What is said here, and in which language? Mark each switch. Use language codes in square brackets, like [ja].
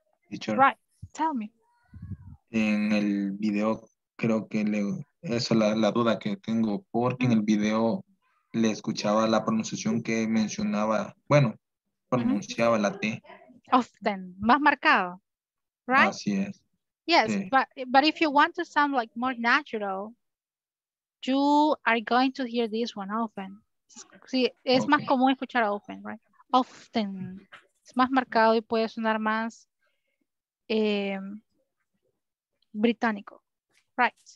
[en] Teacher. Right, tell me. [es] En el video, creo que le, esa es la duda que tengo, porque en el video le escuchaba la pronunciación que mencionaba, bueno, pronunciaba la T. Often, más marcado, right? Así es. [en] Yes, but if you want to sound like more natural, you are going to hear this one often. [es] Sí, es okay. Más común escuchar often, right? Often. Es más marcado y puede sonar más británico, right?